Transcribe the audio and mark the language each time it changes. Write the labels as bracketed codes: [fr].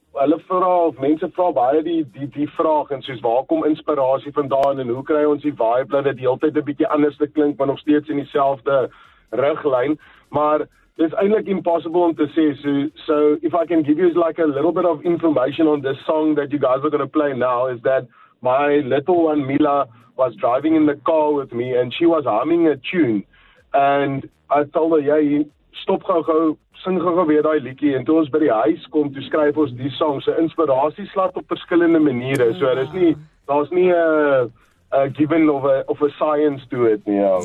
[af] hulle vra of mense vra baie die vraag en soos waar kom inspirasie vandaan en hoe kry ons die vibe dat dit heeltyd 'n bietjie anders te klink maar nog steeds in dieselfde riglyn, maar dit is eintlik impossible om te sê. [en] So if I can give you like a little bit of information on this song that you guys are going to play now, is that my little one Mila was driving in the car with me and she was humming a tune and I told her, yeah, [af] stop gou-gou, sing gou-gou weer daai liedjie, en toe ons by die huis kom, toe skryf ons die song. So inspirasie slaat op verskillende maniere. So dit is nie, daar's nie 'n [en] given of a science to it [af] nie.